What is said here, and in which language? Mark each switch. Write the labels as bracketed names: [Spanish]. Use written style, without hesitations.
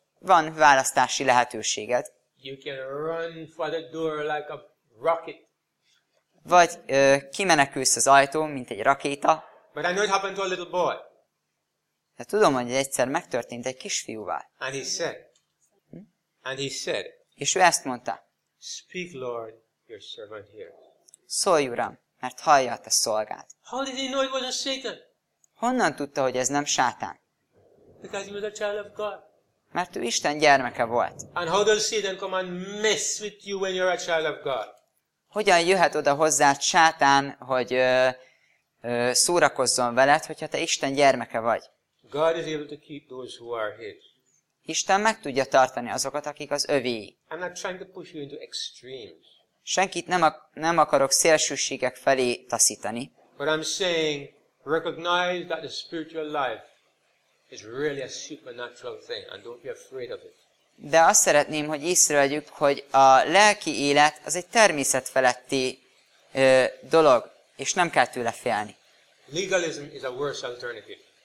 [Hungarian] van választási lehetőséged. [English] You can run for the door like a rocket. [Hungarian] Vagy kimenekülsz az ajtón, mint egy rakéta. [English] But I know it happened to a little boy. [Hungarian] De tudom, hogy egyszer megtörtént egy kisfiúval. [English] And he said. And he said. [Hungarian] És ő ezt mondta. [English] Speak, Lord, your servant hears. [Hungarian] Szólj, Uram, mert hallja a te szolgád. [English] How did he know it wasn't Satan? [Hungarian] Honnan tudta, hogy ez nem Sátán? [English] Because he was a child of God. [Hungarian] Mert ő Isten gyermeke volt. [English] And how does Satan come and mess with you when you're a child of God? [Hungarian] Hogyan jöhet oda hozzád Sátán, hogy szórakozzon veled, hogyha te Isten gyermeke vagy? [English] God is able to keep those who are his. [Hungarian] Isten meg tudja tartani azokat, akik az övéi. [English] I'm not trying to push you into extremes. [Hungarian] Senkit nem akarok szélsőségek felé taszítani. [English] But I'm saying, recognize that the spiritual life is really a supernatural thing, and don't be afraid of it. [Hungarian] De azt szeretném, hogy észrevegyük, hogy a lelki élet az egy természetfeletti dolog, és nem kell tőle félni. [English] Legalism is a worse alternative.